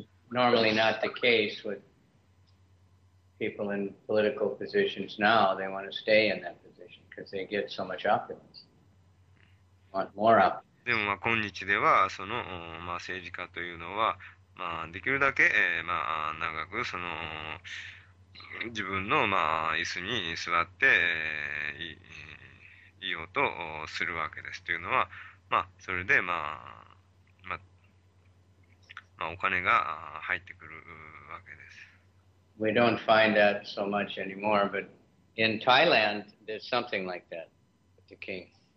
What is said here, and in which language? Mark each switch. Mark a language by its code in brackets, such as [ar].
[en] Normally not the case with people in political positions now. They want to stay in that position because they get so much opulence. Want more opulence. [ja] でも、まあ、今日では、その、まあ、政治家というのは、まあ、できるだけ、まあ、長く、その、自分の、まあ、椅子に座って、いようとするわけです。というのは、まあ、それで、まあ、お金が入ってくるわけです。 [en] We don't find that so much anymore, but in Thailand, there's something like that with the king.